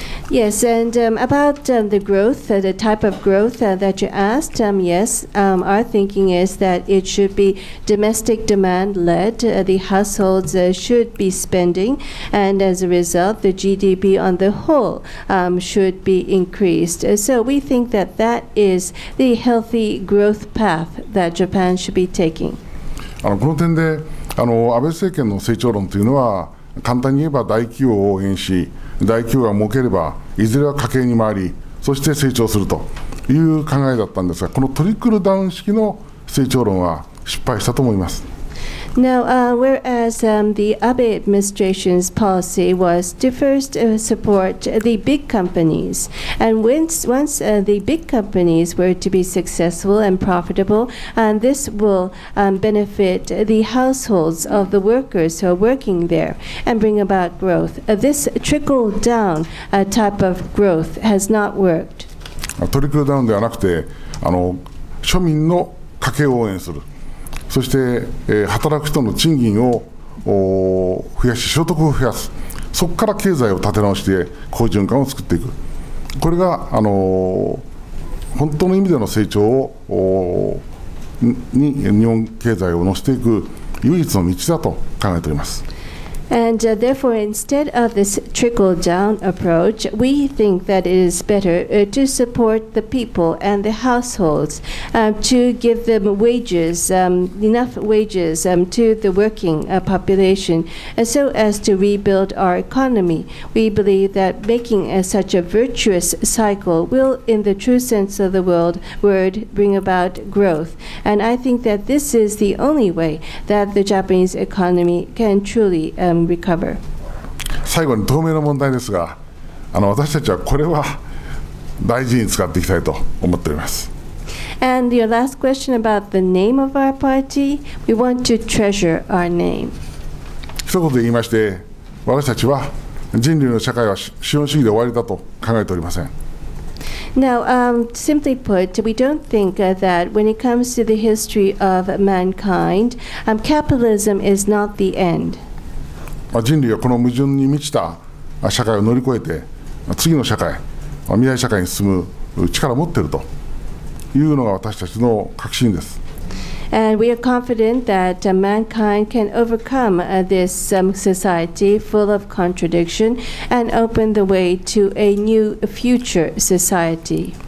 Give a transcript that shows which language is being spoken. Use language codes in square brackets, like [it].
[en] Yes, and about the growth, the type of growth that you asked, yes, our thinking is that it should be domestic demand led, the households should be spending, and as a result, the GDP on the whole should be increased. So we think that that is the healthy growth path that Japan should be taking. [ja] この点で、安倍政権の成長論というのは、簡単に言えば大企業を応援し、大企業が儲ければいずれは家計に回り、そして成長するという考えだったんですが、このトリクルダウン式の成長論は失敗したと思います。 [en] Now, whereas the Abe administration's policy was to first support the big companies, and once the big companies were to be successful and profitable, and this will benefit the households of the workers who are working there and bring about growth. This trickle-down type of growth has not worked. [ja] トリクルダウンではなくて、庶民の家計を応援する。そして、働く人の賃金を増やし、所得を増やす、そこから経済を立て直して好循環を作っていく、これが本当の意味での成長をに日本経済を乗せていく唯一の道だと考えております。 [en] And therefore, instead of this trickle-down approach, we think that it is better to support the people and the households to give them wages, enough wages to the working population so as to rebuild our economy. We believe that making such a virtuous cycle will, in the true sense of the word, bring about growth. And I think that this is the only way that the Japanese economy can truly recover. [ja] 最後に透明の問題ですが、私たちはこれは大事に使っていきたいと思っております。 [en] And your last question about the name of our party, we want to treasure our name. [ja] 一言で言いまして、私たちは人類の社会は資本主義で終わりだと考えておりません。 [en] Now, simply put, we don't think that when it comes to the history of mankind, capitalism is not the end. [ja] 人類はこの矛盾に満ちた社会を乗り越えて、次の社会、未来社会に進む力を持っているというのが私たちの確信です。 [en] And we are confident that mankind can overcome this society full of contradiction and open the way to a new future society.